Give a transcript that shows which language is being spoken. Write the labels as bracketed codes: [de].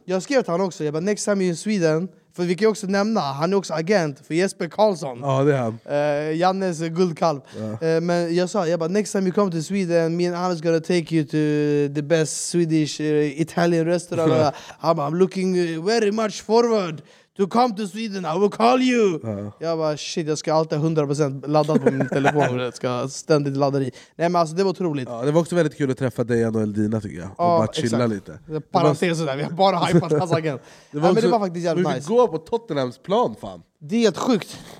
[sv] Jag skrev till honom också. Jag bara, [en] next time you're in Sweden. [sv] För vi kan också nämna, han är också agent för Jesper Karlsson. Ja, det är han. Jannes guldkalv. Ja. Men jag sa, jag bara, [en] next time you come to Sweden, me and Anna's gonna take you to the best Swedish Italian restaurant. [sv] Ja. Han bara, [en] I'm looking very much forward to come to Sweden, I will call you. [sv] Ja. Jag bara, shit, jag ska alltid 100% ladda på min telefon. Jag ska ständigt ladda i. Nej, men alltså, det var otroligt. Ja, det var också väldigt kul att träffa dig och Eldina, tycker jag. Och bara chilla lite. Parentes sådär, vi har bara hypat den här saken. Men det var faktiskt jävligt nice. Vi fick gå på Tottenhams plan, fan. Det är helt sjukt.